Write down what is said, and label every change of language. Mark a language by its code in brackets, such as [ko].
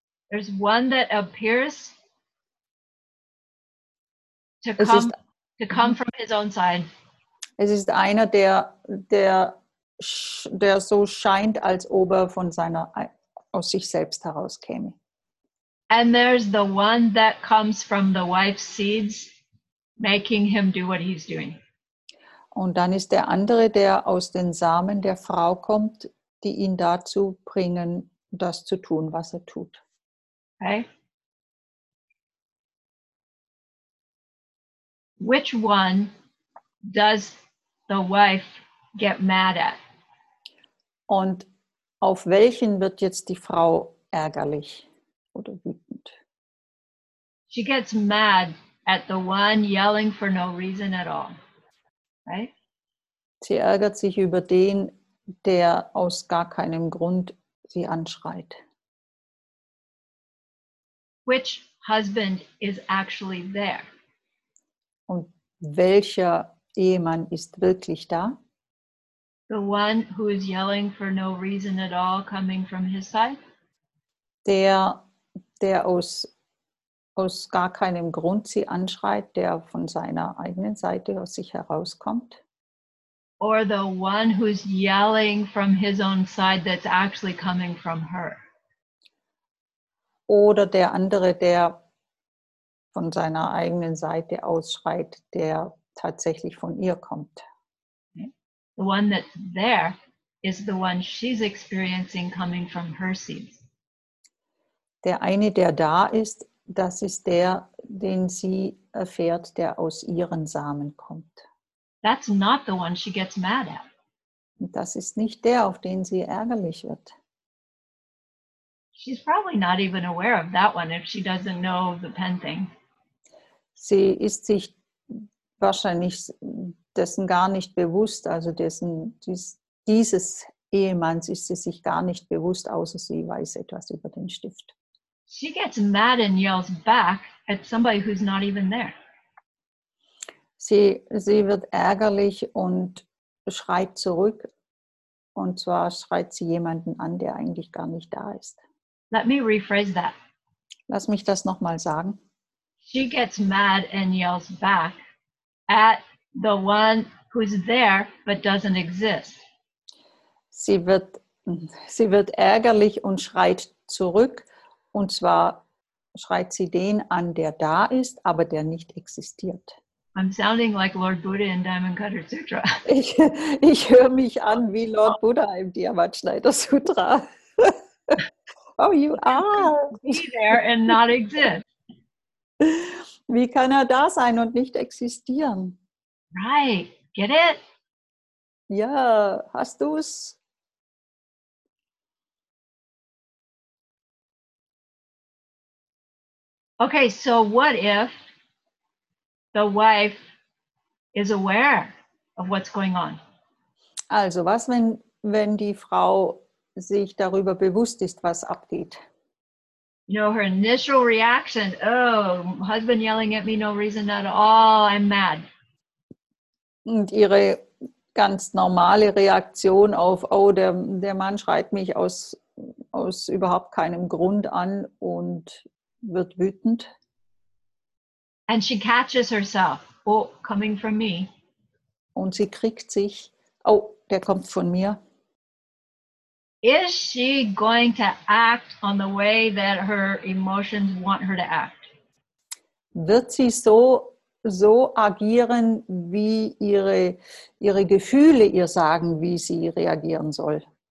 [en] There's one that appears to come from his own side. [de] Es ist einer, der so scheint, als ob er aus sich selbst heraus käme. [en] And there's the one that comes from the wife's seeds, making him do what he's doing. [de] Und dann ist der andere, der aus den Samen der Frau kommt, die ihn dazu bringen, das zu tun, was er tut. [en] Okay. Which one does the wife get mad at? [de] Und auf welchen wird jetzt die Frau ärgerlich oder wütend? [en] She gets mad at the one yelling for no reason at all. Right? [de] Sie ärgert sich über den, der aus gar keinem Grund sie anschreit. [en] Which husband is actually there? [de] Und welcher Ehemann ist wirklich da? [en] The one who is yelling for no reason at all coming from his side? [de] Der aus gar keinem Grund sie anschreit, der von seiner eigenen Seite aus sich herauskommt. [en] Or the one who's yelling from his own side that's actually coming from her. [de] Oder der andere, der von seiner eigenen Seite ausschreit, der tatsächlich von ihr kommt. [en] The one that's there is the one she's experiencing coming from her seeds. [de] Der eine, der da ist, das ist der, den sie erfährt, der aus ihren Samen kommt. [en] That's not the one she gets mad at. [de] Das ist nicht der, auf den sie ärgerlich wird. [en] She's probably not even aware of that one if she doesn't know the pen thing. [de] Sie ist sich wahrscheinlich dessen gar nicht bewusst, also dessen dieses Ehemanns ist sie sich gar nicht bewusst, außer sie weiß etwas über den Stift. [en] She gets mad and yells back at somebody who's not even there. [de] Sie wird ärgerlich und schreit zurück, und zwar schreit sie jemanden an, der eigentlich gar nicht da ist. [en] Let me rephrase that. [de] Lass mich das nochmal sagen. [en] She gets mad and yells back at the one who's there but doesn't exist. [de] Sie wird ärgerlich und schreit zurück, und zwar schreit sie den an, der da ist, aber der nicht existiert. [en] I'm sounding like Lord Buddha in Diamond Cutter Sutra. [de] Ich höre mich an wie Lord Buddha im Diamantschneider Sutra. [en] Oh, you are. Be there and not exist. [de] Wie kann er da sein und nicht existieren? [en] Right. Get it? [de] Ja, hast du's? [en] Okay, so what if the wife is aware of what's going on? [de] Also, was wenn die Frau sich darüber bewusst ist, was abgeht. [en] You know, her initial reaction, oh, husband yelling at me, no reason at all, I'm mad. [de] Und ihre ganz normale Reaktion auf, oh, der Mann schreit mich aus überhaupt keinem Grund an und wird wütend. [en] And she catches herself, oh, coming from me. [de] Und sie kriegt sich, oh, der kommt von mir. [en] Is she going to act on the way that her emotions want her to act? [de] Wird sie so agieren, wie ihre Gefühle ihr sagen, wie sie reagieren soll?